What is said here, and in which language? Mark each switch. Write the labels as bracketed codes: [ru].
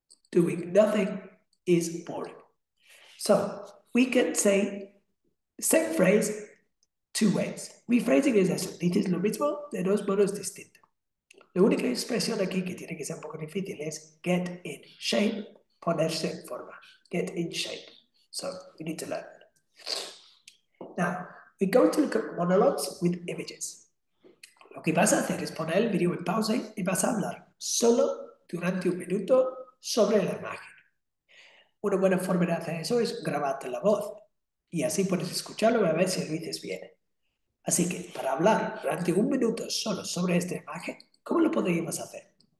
[en] Doing nothing is boring. So we can say same phrase two ways. Rephrasing [es] es eso. Dices lo mismo de dos modos distintos. La única expresión aquí que tiene que ser un poco difícil es [en] get in shape, [es] ponerse en forma. [en] Get in shape. So you need to learn. Now, we're going to look at monologues with images. [es] Lo que vas a hacer es poner el video en pausa y vas a hablar solo durante un minuto sobre la imagen. Una buena forma de hacer eso es grabarte la voz y así puedes escucharlo y a ver si lo dices bien. Así que para hablar durante un minuto solo sobre esta imagen, ¿cómo lo podríamos hacer?